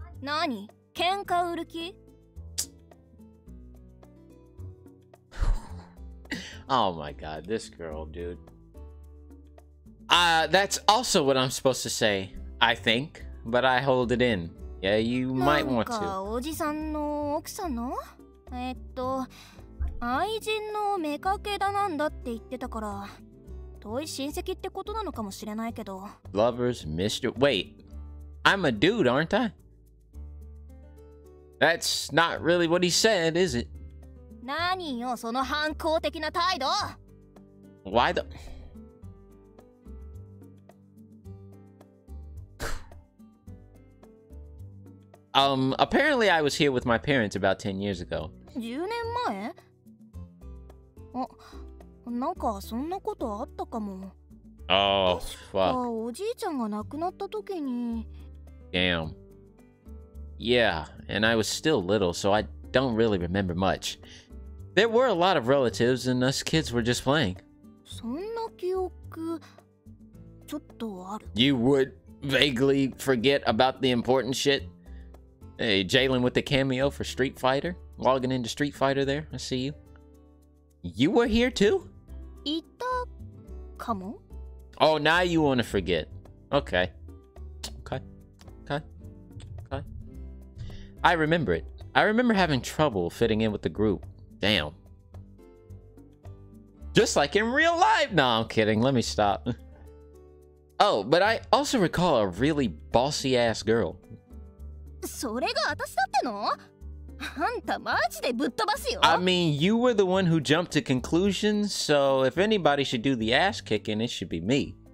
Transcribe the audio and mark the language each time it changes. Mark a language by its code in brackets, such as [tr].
[ja] Nani? Kenka uruki? [en] Oh my god, this girl, dude. That's also what I'm supposed to say, I think, but I hold it in. Yeah, you might want to. [ja] おじさんの奥さんの愛人の妾だなんだって言ってたから、遠い親戚ってことなのかもしれないけど。 [en] Lovers, Mr. Wait, I'm a dude, aren't I? That's not really what he said, is it? [ja] 何よ、その反抗的な態度。 [en] Why the? apparently I was here with my parents about 10 years ago. [ja] 10年前? あ、なんかそんなことあったかも。 [en] Oh, fuck. [ja] 確かおじいちゃんが亡くなった時に。 [en] Damn. Yeah, and I was still little, so I don't really remember much. There were a lot of relatives, and us kids were just playing. [ja] そんな記憶、ちょっとある。 [en] You would vaguely forget about the important shit? Hey, Jalen with the cameo for Street Fighter. Logging into Street Fighter there. I see you. You were here too? [ja] Itta kamo? [en] Oh, now you want to forget. Okay. I remember it. I remember having trouble fitting in with the group. Damn. Just like in real life. No, I'm kidding. Let me stop. Oh, but I also recall a really bossy ass girl. [ja] それが私だってのあんたマジでぶっ飛ばすよ [en] I mean, you were the one who jumped to conclusions, so if anybody should do the ass kicking, it should be me.